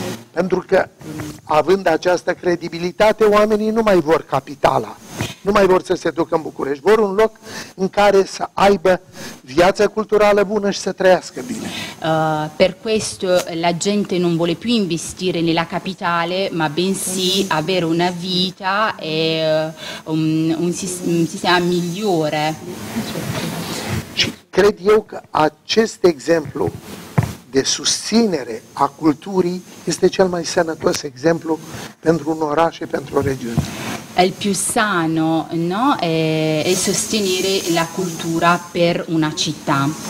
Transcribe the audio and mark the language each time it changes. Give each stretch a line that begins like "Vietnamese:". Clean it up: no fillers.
Romanian: Pentru că având această credibilitate, oamenii nu mai vor capitala. Nu mai vor să se ducă în București, vor un loc în care să aibă viața culturală bună și să trăiască bine.
Italian: Per questo la gente non vuole più investire nella capitale, ma bensì avere una vita e un sistema migliore.
Romanian: Și cred eu că acest exemplu de susținere a culturii este cel mai sănătos exemplu pentru un oraș și pentru o regiune.
Italian: È il più sano, no? È sostenere la cultura per una città.